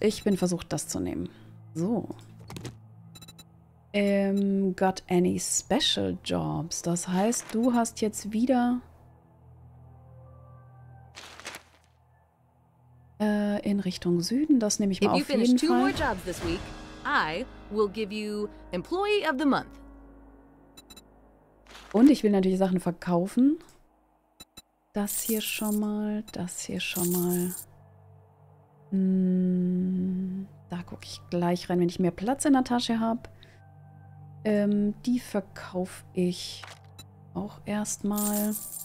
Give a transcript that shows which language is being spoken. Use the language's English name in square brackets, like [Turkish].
[German] Ich bin versucht, das zu nehmen. So. [English] Got any special jobs? [German] Das heißt, du hast jetzt wieder in Richtung Süden. Das nehme ich mal auf jeden Fall. [English] Two more jobs this week, I will give you employee of the month. [German] Und ich will natürlich Sachen verkaufen. Das hier schon mal. Das hier schon mal. Da gucke ich gleich rein, wenn ich mehr Platz in der Tasche habe. Die verkaufe ich auch erstmal.